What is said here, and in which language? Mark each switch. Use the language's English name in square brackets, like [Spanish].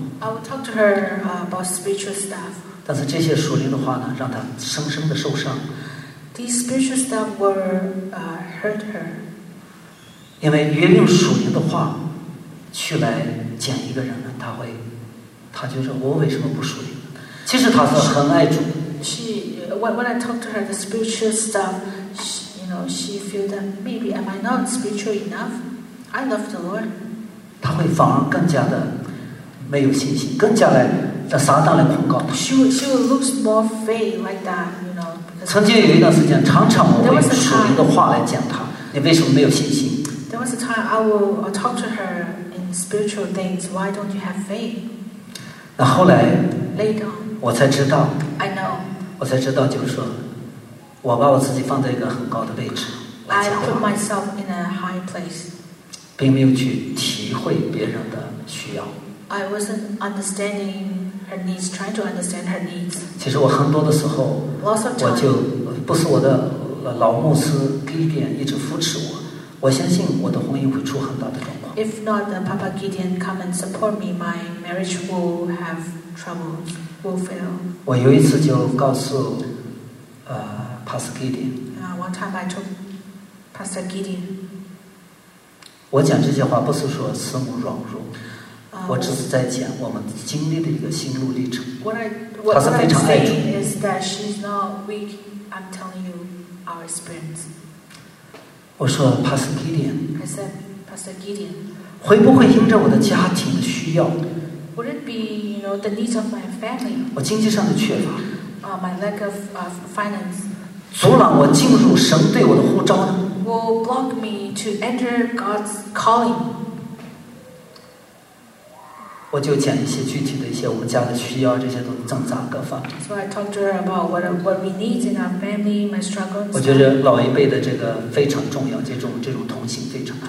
[English] I will talk to her about spiritual stuff. [Chinese] 但是这些属灵的话呢，让他深深的受伤。 [English] These spiritual stuff were hurt her. [Chinese] 因为越用属灵的话去来讲一个人呢，他会，他就说我为什么不属灵？其实他是很爱主。 [English] When I talk to her the spiritual stuff, she, you know, she feel that maybe am I not spiritual enough? I love the Lord. [Chinese] 他会反而更加的没有信心，更加来。在撒旦的控告。 [English] She looks more faith like that, you know. [Chinese] 曾经有一段时间，常常我会用属灵的话来讲他，你为什么没有信心 [English] ？There was a time I will talk to her in spiritual things. Why don't you have faith? [Chinese] 那后来 [English] ，later， [Chinese] 我才知道。 [English] I know. [Chinese] 我才知道，就是说，我把我自己放在一个很高的位置来讲话。 [English] I put myself in a high place. [Chinese] 并没有去体会别人的需要。 [English] I wasn't understanding. Her needs, trying to understand her needs. [Chinese] 其实我很多的时候 [English] Lots of time. [Chinese] 我就不是我的老牧师Gideon一直扶持我，我相信我的婚姻会出很大的状况。 [English] If not, then Papa Gideon come and support me, my marriage will have trouble, will fail. [Chinese] 我有一次就告诉Pastor Gideon. [English] One time I told Pastor Gideon. [Chinese] 我讲这些话不是说慈母软弱。我只是在讲我们经历的一个心路历程。他是非常爱主。 [English] What I'm saying is that she's not weak. I'm telling you our experience. [Chinese] 我说 ，Pastor Gideon. [English] I said, Pastor Gideon. [Chinese] 会不会因着我的家庭的需要 [English] ？Would it be, you know, the needs of my family? [Chinese] 我经济上的缺乏。 [English] My lack of finance. [Chinese] 阻拦我进入神对我的呼召呢 [English] ？Will block me to enter God's calling? [Chinese] 我就讲一些具体的一些我们家的需要，这些都挣扎各方。 [English] So I talked to her about what we need in our family, my struggles. [Chinese] 我觉得老一辈的这个非常重要，这种同情非常。